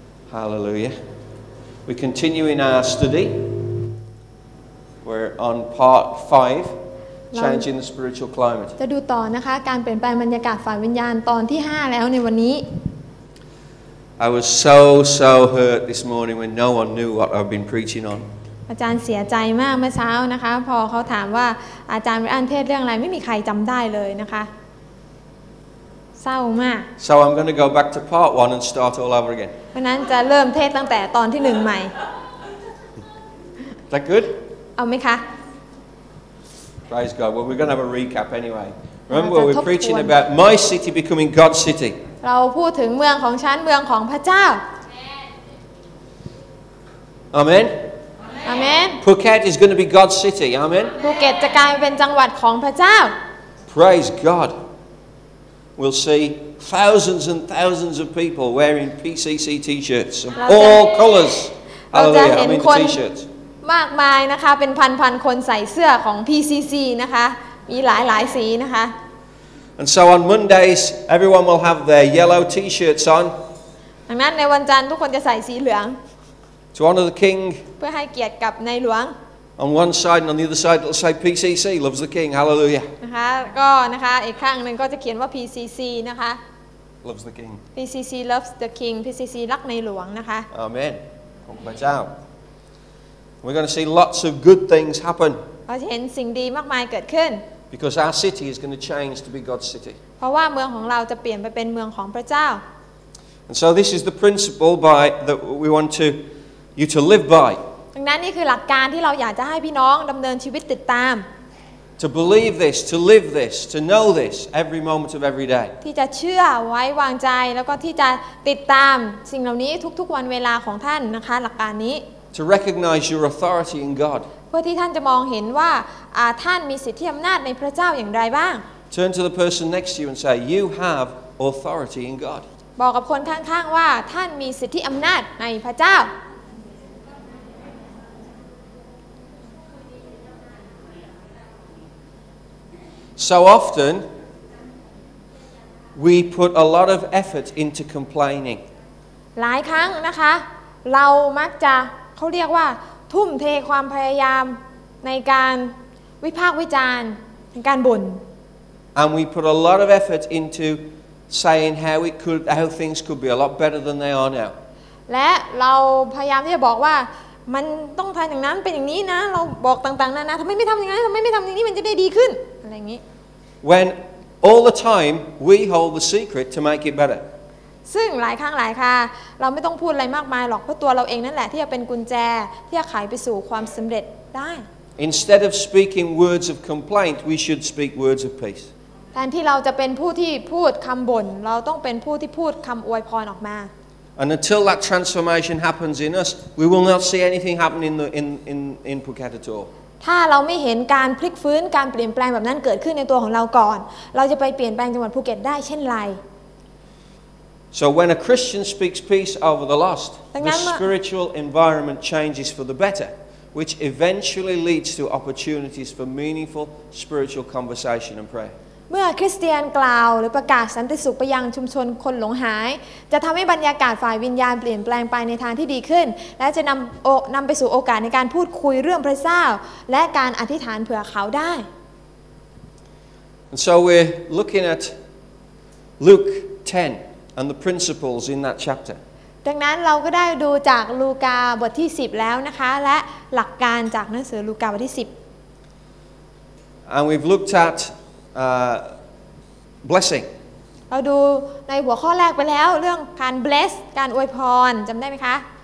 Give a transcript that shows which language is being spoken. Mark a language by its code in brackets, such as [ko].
[en] Hallelujah. We continue in our study. We're on part 5, Changing the Spiritual Climate. [th] จะดูต่อนะคะการเปลี่ยนแปลงบรรยากาศฝ่ายวิญญาณตอนที่5แล้วในวันนี้ [en] I was so hurt this morning when no one knew what I've been preaching on. [th] อาจารย์เสียใจมากเมื่อเช้านะคะพอเขาถามว่าอาจารย์อ่านเทศเรื่องอะไรไม่มีใครจำได้เลยนะคะเศร้ามาก [en] So I'm going to go back to part 1 and start all over again [th] เพราะนั้นจะเริ่มเทศตั้งแต่ตอนที่1ใหม่ [en] That good [th] เอาไหมคะ [en] Praise God well we're going to have a recap anyway Remember we're preaching about my city becoming God's city [th] เราพูดถึงเมืองของฉันเมืองของพระเจ้า [en] Amen Amen. Phuket is going to be God's city. Amen. [th] Phuket จะกลายเป็นจังหวัดของพระเจ้า [en] Praise God. We'll see thousands and thousands of people wearing PCC t-shirts of all colors. Hallelujah. I mean the t-shirts. [th] มากมายนะคะเป็นพันๆคนใส่เสื้อของ PCC นะคะมีหลายสีนะคะ [en] And so on Mondays, everyone will have their yellow t-shirts on. [th] ดังนั้นในวันจันทร์ทุกคนจะใส่สีเหลือง [en] To honor the king. [th] เพื่อให้เกียรติกับในหลวง [en] On one side and on the other side it'll say PCC loves the king. Hallelujah. [th] นะคะก็นะคะอีกข้างนึงก็จะเขียนว่า PCC นะคะ [en] Loves the king. PCC loves the king. PCC [th] รักในหลวงนะคะ [en] Amen. [th] ขอบพระเจ้า [en] We're going to see lots of good things happen. [th] เราเห็นสิ่งดีมากมายเกิดขึ้น [en] Because our city is going to change to be God's city. [th] เพราะว่าเมืองของเราจะเปลี่ยนไปเป็นเมืองของพระเจ้า [en] And so this is the principle by that we want to you to live by. [th] ดังนั้นนี่คือหลักการที่เราอยากจะให้พี่น้องดำเนินชีวิตติดตาม [en] To believe this, to live this, to know this every moment of every day. [th] ที่จะเชื่อไว้วางใจแล้วก็ที่จะติดตามสิ่งเหล่านี้ทุกๆวันเวลาของท่านนะคะหลักการนี้ [en] To recognize your authority in God. [th] เพื่อที่ท่านจะมองเห็นว่าท่านมีสิทธิอำนาจในพระเจ้าอย่างไรบ้าง [en] Turn to the person next to you and say, "You have authority in God." [th] บอกกับคนข้างๆว่าท่านมีสิทธิอำนาจในพระเจ้า [en] So often, we put a lot of effort into complaining. [th] หลายครั้งนะคะเรามักจะเขาเรียกว่าทุ่มเทความพยายามในการวิพากษ์วิจารณ์ในการบ่น [en] And we put a lot of effort into saying how things could be a lot better than they are now. [th] และเราพยายามที่จะบอกว่ามันต้องทำอย่างนั้นเป็นอย่างนี้นะเราบอกต่างๆนานาทำไมไม่ทำอย่างนั้นทำไมไม่ทำอย่างนี้มันจะได้ดีขึ้น [en] When all the time we hold the secret to make it better. [th] ซึ่งหลายครั้งหลายคราเราไม่ต้องพูดอะไรมากมายหรอกเพราะตัวเราเองนั่นแหละที่จะเป็นกุญแจที่จะไขไปสู่ความสำเร็จได้ [en] Instead of speaking words of complaint, we should speak words of peace. [th] แทนที่เราจะเป็นผู้ที่พูดคำบ่นเราต้องเป็นผู้ที่พูดคำอวยพรออกมา [en] And until that transformation happens in us, we will not see anything happen in Phuket at all. [th] ถ้าเราไม่เห็นการพลิกฟื้นการเปลี่ยนแปลงแบบนั้นเกิดขึ้นในตัวของเราก่อนเราจะไปเปลี่ยนแปลงจังหวัดภูเก็ตได้เช่นไร [en] So when a Christian speaks peace over the lost the spiritual environment changes for the better which eventually leads to opportunities for meaningful spiritual conversation and prayer [th] เมื่อคริสเตียนกล่าวหรือประกาศสันติสุขไปยังชุมชนคนหลงหายจะทำให้บรรยากาศฝ่ายวิญญาณเปลี่ยนแปลงไปในทางที่ดีขึ้นและจะนำไปสู่โอกาสในการพูดคุยเรื่องพระเจ้าและการอธิษฐานเผื่อเขาได้ [en] And so we're looking at Luke 10 and the principles in that chapter [th] ดังนั้นเราก็ได้ดูจากลูกาบทที่10แล้วนะคะและหลักการจากหนังสือลูกาบทที่10 [en] And we've looked atblessing [th] เราดูในหัวข้อแรกไปแล้วเรื่องการ bless การอวยพรจำได้ไหมคะ